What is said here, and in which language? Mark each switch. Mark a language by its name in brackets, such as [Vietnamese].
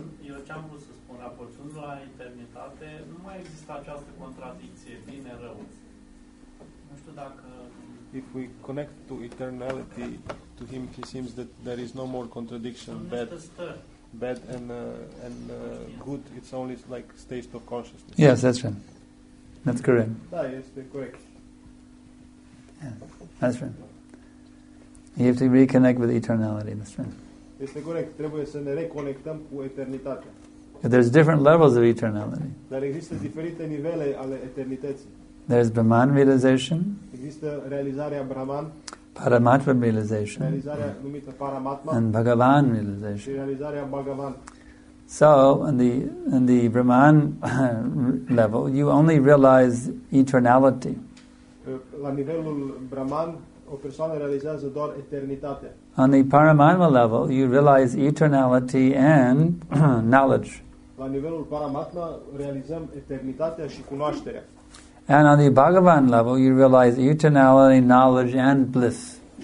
[Romanian] Eu ce am vrut să spun, raportând la eternitate, nu mai există această contradicție, bine-rău. Nu știu dacă... [English] If we connect to eternality, to him he seems that there is no more contradiction, bad and good, it's only like state of consciousness. Yes, that's right. That's correct. Yes, correct. Yeah, that's right. You have to reconnect with eternality, that's right. [Romanian] Este corect, trebuie să ne reconectăm cu eternitatea. [English] There's different levels of eternality. [Romanian] Dar există diferite nivele ale eternității. [English] There's Brahman realization. [Romanian] Există realizarea Brahman. [English] Paramatma realization. [Romanian] Realizarea numită Paramatma. [English] And Bhagavan realization. [Romanian] Și realizarea Bhagavan. [English] So, in the Brahman level, you only realize eternality. [Romanian] La nivelul Brahman, o persoană realizează doar eternitatea. [English] On the Paramatma level, you realize eternality and knowledge. [Romanian] La nivelul Paramatma, realizăm eternitatea și cunoașterea. [English] And on the Bhagavan level, you realize eternality, knowledge, and bliss.